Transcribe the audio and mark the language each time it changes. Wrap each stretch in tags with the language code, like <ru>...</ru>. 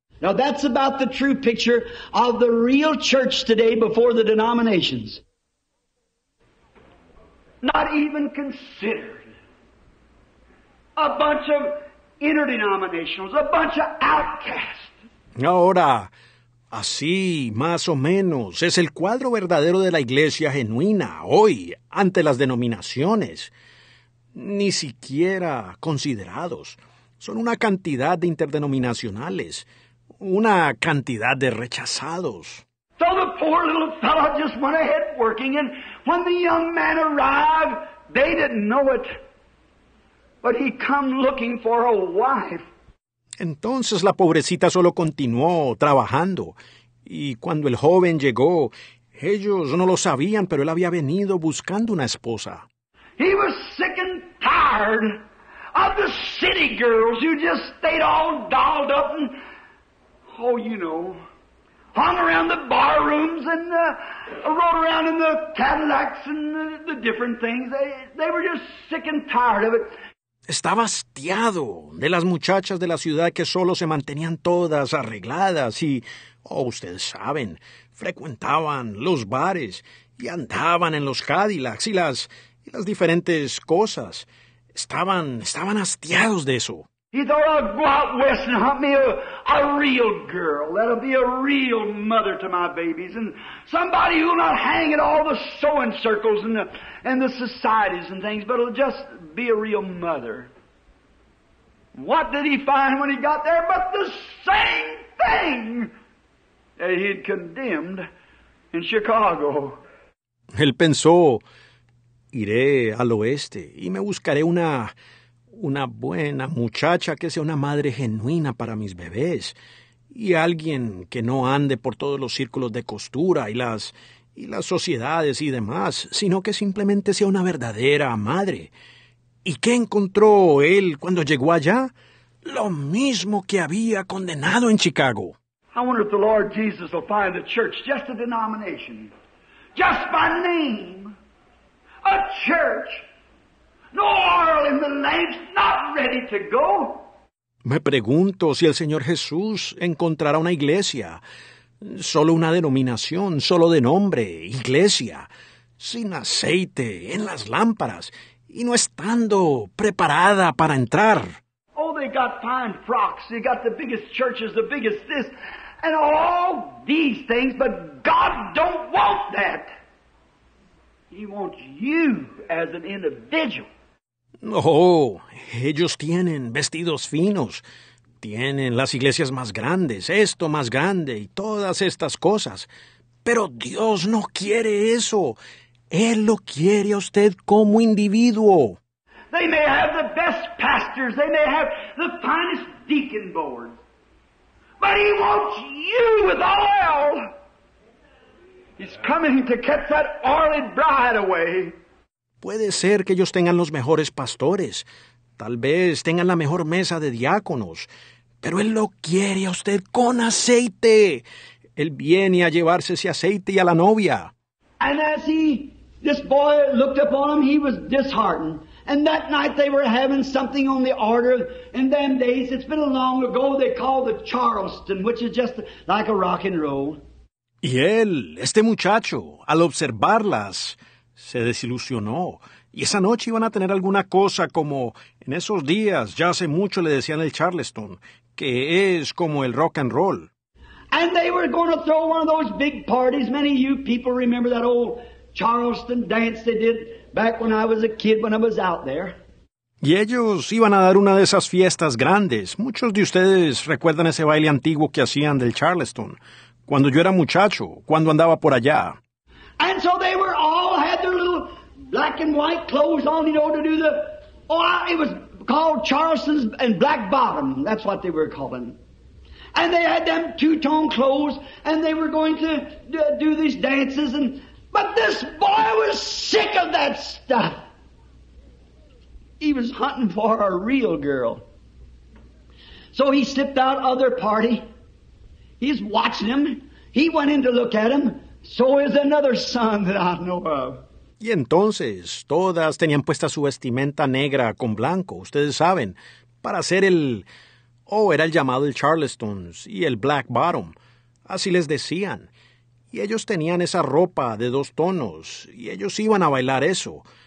<en>Now that's about the true picture of the real church today before the denominations. Not even considered. A bunch of interdenominationals, a bunch of outcasts.</en> <es>Ahora, así más o menos es el cuadro verdadero de la iglesia genuina hoy ante las denominaciones. Ni siquiera considerados. Son una cantidad de interdenominacionales. Una cantidad de rechazados.</es> <en>So the poor little fellow just went ahead working, and when the young man arrived, they didn't know it. But he come looking for a wife.</en> <es>Entonces la pobrecita solo continuó trabajando, y cuando el joven llegó, ellos no lo sabían, pero él había venido buscando una esposa.</es> <en>He was sick and tired of the city girls who just stayed all dolled up and, oh, you know, hung around the bar rooms and rode around in the Cadillacs and the different things. They were just sick and tired of it.</en> <es>Estaba hastiado de las muchachas de la ciudad que solo se mantenían todas arregladas y, oh, ustedes saben, frecuentaban los bares y andaban en los Cadillacs y las diferentes cosas. Estaban hastiados de eso.</es> <en>He thought, I'll go out west and hunt me a real girl. That'll be a real mother to my babies. And somebody who'll not hang in all the sewing circles and the societies and things, but it'll just be a real mother. What did he find when he got there but the same thing that he'd condemned in Chicago?</en> <es>Él pensó, iré al oeste y me buscaré una buena muchacha que sea una madre genuina para mis bebés y alguien que no ande por todos los círculos de costura y las sociedades y demás, sino que simplemente sea una verdadera madre. ¿Y qué encontró él cuando llegó allá? Lo mismo que había condenado en Chicago.</es> <en>I wonder if the Lord Jesus will find the church just a denomination, just by name. A church. No oil in the lamps, not ready to go.</en> <es>Me pregunto si el Señor Jesús encontrará una iglesia, solo una denominación, solo de nombre, iglesia, sin aceite, en las lámparas, y no estando preparada para entrar.</es> <en>Oh, they got fine frocks, they got the biggest churches, the biggest this, and all these things, but God don't want that. He wants you as an individual.</en> <es>Oh, ellos tienen vestidos finos, tienen las iglesias más grandes, esto más grande y todas estas cosas. Pero Dios no quiere eso. Él lo quiere a usted como individuo.</es> <en>They may have the best pastors, they may have the finest deacon board, but he wants you with oil. He's coming to catch that oiled bride away.</en> <es>Puede ser que ellos tengan los mejores pastores, tal vez tengan la mejor mesa de diáconos, pero Él lo quiere a usted con aceite. Él viene a llevarse ese aceite y a la novia.</es> <en>And as this boy looked upon him, he was disheartened. And that night they were having something on the order. In them days, it's been a long ago, they called the Charleston, which is just like a rock and roll.</en> <es>Y él, este muchacho, al observarlas, se desilusionó. Y esa noche iban a tener alguna cosa como, en esos días, ya hace mucho le decían el Charleston, que es como el rock and roll.</es> <en>And they were going to throw one of those big parties. Many of you people remember that old Charleston dance they did back when I was a kid, when I was out there.</en> <es>Y ellos iban a dar una de esas fiestas grandes. Muchos de ustedes recuerdan ese baile antiguo que hacían del Charleston, cuando yo era muchacho, cuando andaba por allá.</es> <en>And so they were all had their little black and white clothes on, you know, to do the... it was called Charleston's and Black Bottom. That's what they were calling. And they had them two-tone clothes, and they were going to do these dances. But this boy was sick of that stuff. He was hunting for a real girl. So he slipped out of their party. He's watching them. He went in to look at them. So is another son that I know of.</en> <es>Y entonces, todas tenían puesta su vestimenta negra con blanco, ustedes saben, para hacer el... era el llamado el Charleston's y el Black Bottom, así les decían. Y ellos tenían esa ropa de dos tonos, y ellos iban a bailar eso.</es>